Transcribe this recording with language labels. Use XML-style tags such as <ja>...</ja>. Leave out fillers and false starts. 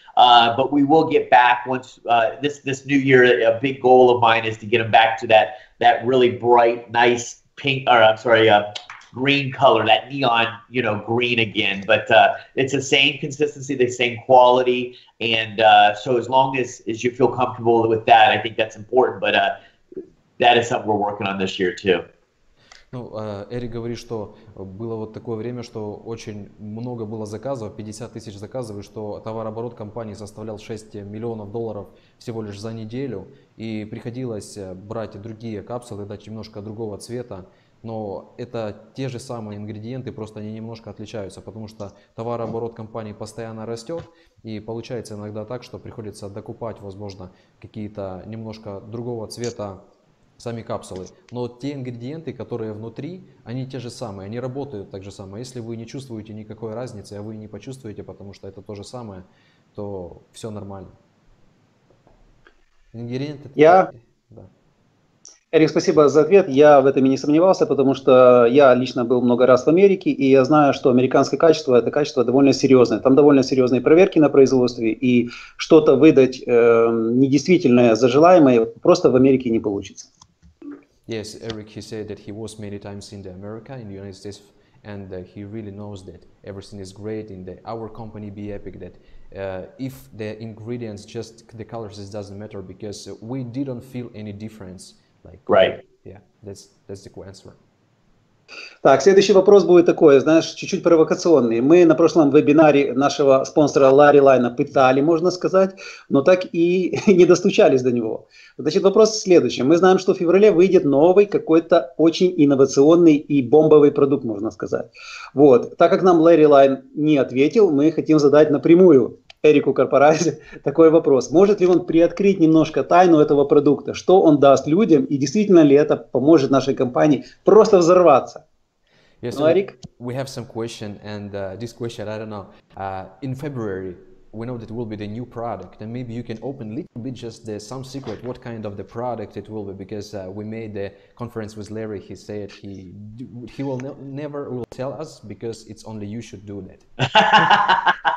<en>But we will get back once this new year, a big goal of mine is to get them back to that really bright, nice, pink, or I'm sorry, green color, that neon, you know, green again. But it's the same consistency, the same quality. And so as long as you feel comfortable with that, I think that's important. But that is something we're working on this year too.</en> <ru>Ну, Эрик говорит, что было вот такое время, что очень много было заказов, 50 тысяч заказов, и что товарооборот компании составлял $6 миллионов всего лишь за неделю, и приходилось брать другие капсулы, дать немножко другого цвета, но это те же самые ингредиенты, просто они немножко отличаются, потому что товарооборот компании постоянно растет, и получается иногда так, что приходится докупать, возможно, какие-то немножко другого цвета сами капсулы. Но те ингредиенты, которые внутри, они те же самые, они работают так же самое. Если вы не чувствуете никакой разницы, а вы не почувствуете, потому что это то же самое, то все нормально. Ингредиенты... Я... Да. Эрик, спасибо за ответ. Я в этом и не сомневался, потому что я лично был много раз в Америке, и я знаю, что американское качество – это качество довольно серьезное. Там довольно серьезные проверки на производстве, и что-то выдать недействительное за желаемое просто в Америке не получится.</ru> <en>Yes, Eric, he said that he was many times in the America, in the United States, and he really knows that everything is great in the our company, Be Epic, that if the ingredients, just the colors, it doesn't matter because we didn't feel any difference. Like, right. Yeah, that's the cool answer.</en> <ru>Так, следующий вопрос будет такой, знаешь, чуть-чуть провокационный. Мы на прошлом вебинаре нашего спонсора Ларри Лайна пытали, можно сказать, но так и не достучались до него. Значит, вопрос следующий. Мы знаем, что в феврале выйдет новый какой-то очень инновационный и бомбовый продукт, можно сказать. Вот, так как нам Ларри Лайн не ответил, мы хотим задать напрямую Эрику Корпорайзе такой вопрос. Может ли он приоткрыть немножко тайну этого продукта? Что он даст людям? И действительно ли это поможет нашей компании просто взорваться?</ru> <en>Yes,</en> <ru>ну, Эрик?</ru> <en>We have some question, and this question, I don't know. In February, we know that it will be the new product, and maybe you can open a little bit just some secret, what kind of the product it will be, because we made the conference with Larry, he said he will never will tell us, because it's only you should do that.</en>